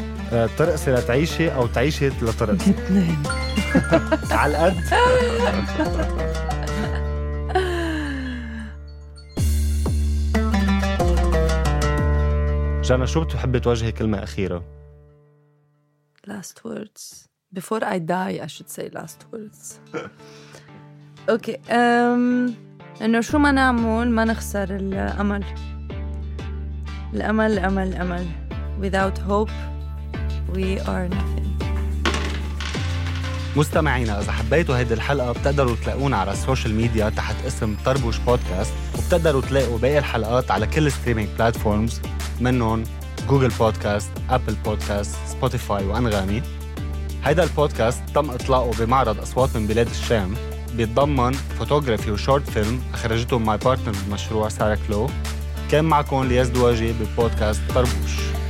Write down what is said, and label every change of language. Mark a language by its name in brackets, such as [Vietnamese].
[Arabic] ترقص لتعيشي أو تعيشي لترقص لبنان على القد جانا شو بتحب توجهي كلمة أخيرة؟ [English] Last words Before I die I should say last words okay إنه شو ما نعمل ما نخسر الأمل الأمل الأمل الأمل Without hope We are nothing [Arabic] مستمعينا إذا حبيتوا هيدي الحلقة بتقدروا تلاقونا على السوشيال ميديا تحت اسم طربوش بودكاست وبتقدروا تلاقوا باقي الحلقات على كل ستريمينج بلاتفورمز منهم جوجل بودكاست، أبل بودكاست، سبوتيفاي وأنغامي هيدا البودكاست تم إطلاقه بمعرض أصوات من بلاد الشام بيتضمن فوتوغرافي وشورت فيلم أخرجته ماي بارتنر بالمشروع سارة كلو كان معكم لياس دواجي ببودكاست طربوش